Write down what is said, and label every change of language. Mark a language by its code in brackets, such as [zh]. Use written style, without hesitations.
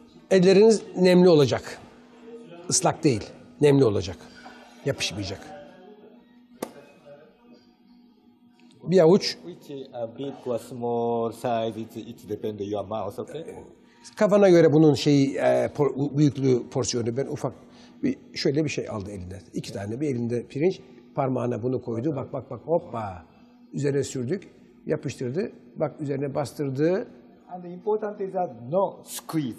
[tr] Elleriniz nemli olacak. Islak değil, nemli olacak. Yapışmayacak. Bir avuç. [en] Which a big or small size, it depends on your mouth, okay? [tr] Kafana göre bunun şeyi, büyüklüğü, porsiyonu. Ben ufak bir şöyle bir şey aldı elinden. İki tane, bir elinde pirinç, parmağına bunu koydu. Bak bak bak, hoppa. Üzerine sürdük, yapıştırdı. Bak üzerine bastırdı. [en] And the important is that no squeeze.